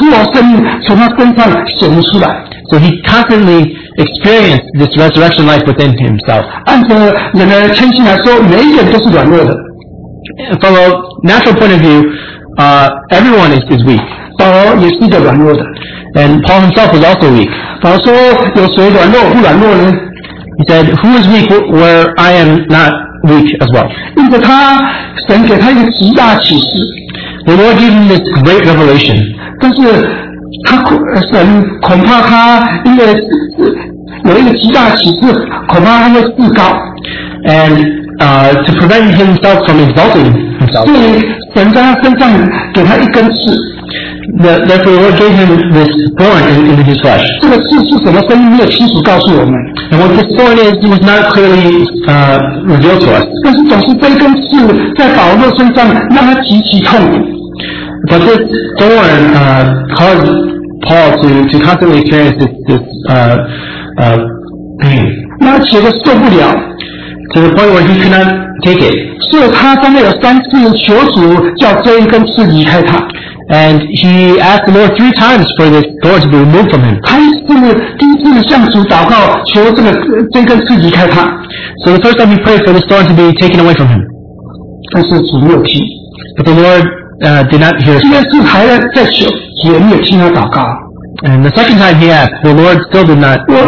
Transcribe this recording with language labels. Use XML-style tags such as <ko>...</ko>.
<zh>所以他在生活事中上，他一直经历到这个死活，就复活生命从他身上显出来。</zh> <en>So he constantly experienced this resurrection life within himself.</en> <zh>按照人的天性来说，每一个人都是软弱的。</zh> <en>From a natural point of view, everyone is weak.</en> <zh>保罗也是一个软弱的。</zh> <en>And Paul himself was also weak.</en> <zh>保罗说，有谁软弱，不软弱呢？</zh> <en>He said, who is weak where I am not weak as well?</en> <zh>因为神给他一个极大启示。</zh> <en>The Lord gave him this great revelation.</en> <zh>但是神恐怕他因为有一个极大启示，恐怕他会自高。</zh> <en>And to prevent himself from exalting himself.</en> <zh>所以神在他身上给他一根刺。</zh> <en>Therefore, the Lord gave him this thorn in his flesh.</en> <zh>这个刺是什么？神没有清楚告诉我们。</zh> <en>And what this thorn is, it was not clearly revealed to us.</en> <zh>但是总是这一根刺在保罗身上让他极其痛。</zh> <en>But this thorn caused Paul to constantly experience this pain.</en> <zh>让他觉得受不了。</zh> <en>to the point where he could not take it.</en> <zh>所以他三个有三次求主叫这一根刺离开他。</zh> <en>And he asked the Lord three times for this thorn to be removed from him.</en> <zh>他第一次向主祷告求这根刺离开他。</zh> <en>So the first time he prayed for this thorn to be taken away from him.</en> <zh>但是主没有听。</zh> <en>But the Lord did not hear his prayer.</en> <zh>第二次还在求，也没有听他祷告。</zh> <en>And the second time he asked, the Lord still did not.</en>